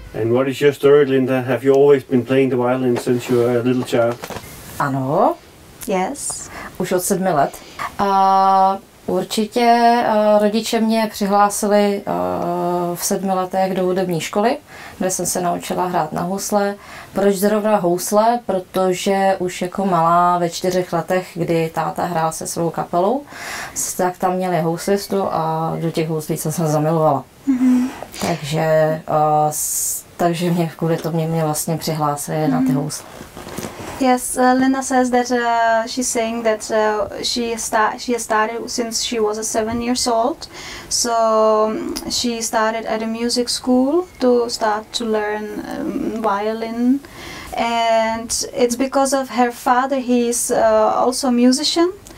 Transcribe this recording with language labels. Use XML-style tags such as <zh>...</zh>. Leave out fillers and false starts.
<en>What is your story, Linda? Have you always been playing the violin since you were a little child?</en> <cs>Ano.</cs> <en>Yes.</en> <cs>Už od 7 let. Určitě rodiče mě přihlásili v 7 letech do hudební školy, kde jsem se naučila hrát na housle. Proč zrovna housle? Protože už jako malá ve 4 letech, kdy táta hrál se svou kapelou, tak tam měli houslistu a do těch houslí jsem se zamilovala. Mm-hmm. Takže mě kvůli tomu mě vlastně přihlásili na ty housle.</cs> <en>Yes, Linda says that she's saying that she started since she was 7 years old. So she started at a music school to start to learn violin. And it's because of her father, he's also a musician.</en>